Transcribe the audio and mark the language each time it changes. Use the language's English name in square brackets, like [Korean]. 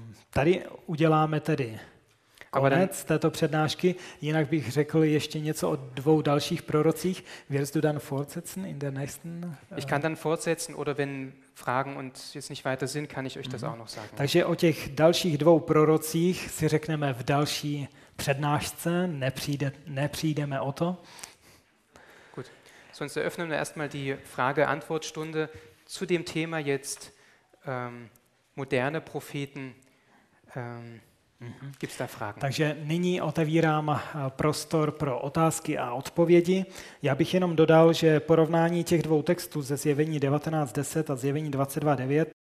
[Czech] Tady uděláme tedy konec této přednášky. Jinak bych řekl ještě něco o dvou dalších prorocích. [German] Wirst du dann fortsetzen in der nächsten? Ich kann dann fortsetzen oder wenn Fragen und jetzt nicht weiter sind, kann ich euch das auch noch sagen. [Czech] Takže o těch dalších dvou prorocích si řekneme v další přednášce, nepřijdeme o to. Gut. [German] Sonst eröffnen wir erstmal die Frage-Antwort-Stunde zu dem Thema jetzt moderne Propheten. Gibt's da Fragen? [Czech] Takže nyní otevírám prostor pro otázky a odpovědi. Já bych jenom dodal, že porovnání těch dvou textů ze zjevení 19.10 a zjevení 22.9